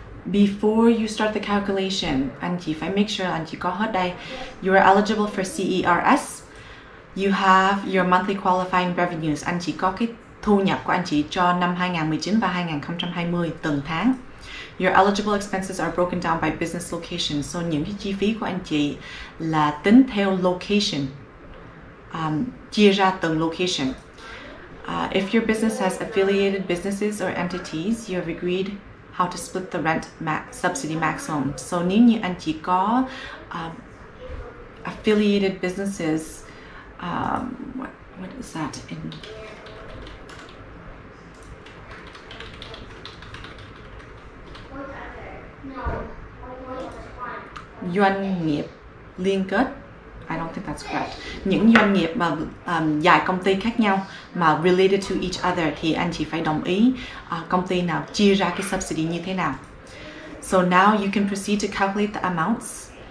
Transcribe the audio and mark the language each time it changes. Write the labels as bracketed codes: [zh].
[en] Before you start the calculation, [vi] anh chị phải make sure anh chị có hết đây. [en] You are eligible for CERS. You have your monthly qualifying revenues. [vi] Anh chị có cái thu nhập của anh chị cho năm 2019 và 2020 từng tháng. [en] Your eligible expenses are broken down by business location. [vi] So những cái chi phí của anh chị là tính theo location, chia ra từng location. [en] If your business has affiliated businesses or entities, you have agreed how to split the rent subsidy maximum. So [vi] nếu như anh chị có [en] affiliated businesses, what is that in? [vi] Doanh nghiệp liên kết. [en] I don't think that's correct. [vi] Những doanh nghiệp mà dài công ty khác nhau mà [en] related to each other [vi] thì anh chị phải đồng ý công ty nào chia ra cái subsidy như thế nào. [en] So now you can proceed to calculate the amounts.